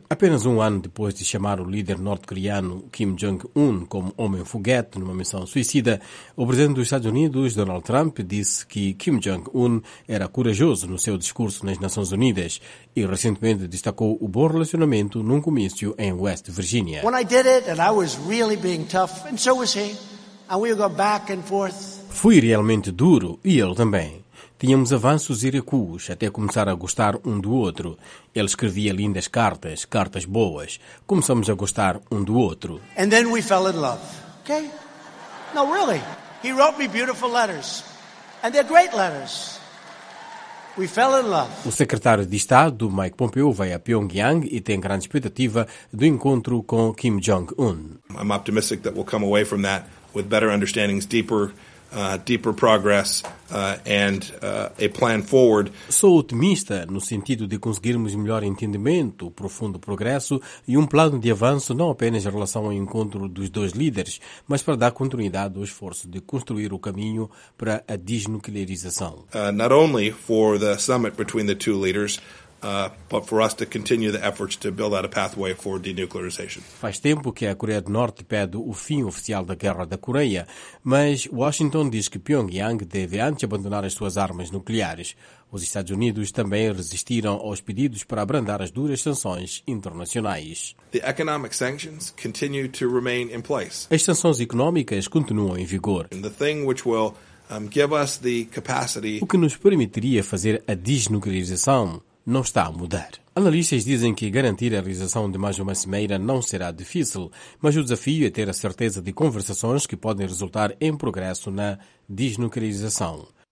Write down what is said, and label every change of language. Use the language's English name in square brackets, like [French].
[Portuguese] Apenas um ano depois de chamar o líder norte-coreano Kim Jong-un como homem-foguete numa missão suicida, o presidente dos Estados Unidos, Donald Trump, disse que Kim Jong-un era corajoso no seu discurso nas Nações Unidas e recentemente destacou o bom relacionamento num comício em West Virginia. [English] When I did it and I was really being tough and so was he and we would go back and forth. [Portuguese] Fui realmente duro e ele também. Tínhamos avanços e recuos, até começar a gostar um do outro. Ele escrevia lindas cartas, cartas boas. Começamos a gostar um do outro. [English] And then we fell in love. Okay? No, really. He wrote me beautiful letters. And they're great letters. We fell in love. [Portuguese] O secretário de Estado, Mike Pompeo, vai a Pyongyang e tem grande expectativa do encontro com Kim Jong-un. [English] I'm optimistic that we'll come away from that with better understandings, deeper progress and a plan forward. [Portuguese] Sou otimista no sentido de conseguirmos melhor entendimento, profundo progresso e um plano de avanço não apenas em relação ao encontro dos dois líderes, mas para dar continuidade ao esforço de construir o caminho para a desnuclearização. [English] Not only for the summit between the two leaders, but for us to continue the efforts to build out a pathway for denuclearization. [Portuguese] Faz tempo que a Coreia do Norte pede o fim oficial da Guerra da Coreia, mas Washington diz que Pyongyang deve antes abandonar as suas armas nucleares. Os Estados Unidos também resistiram aos pedidos para abrandar as duras sanções internacionais. [English] The economic sanctions continue to remain in place. [Portuguese] As sanções económicas continuam em vigor. [English] And the thing which will give us the capacity. [Portuguese] O que nos permitiria fazer a desnuclearização não está a mudar. Analistas dizem que garantir a realização de mais uma cimeira não será difícil, mas o desafio é ter a certeza de conversações que podem resultar em progresso na desnuclearização.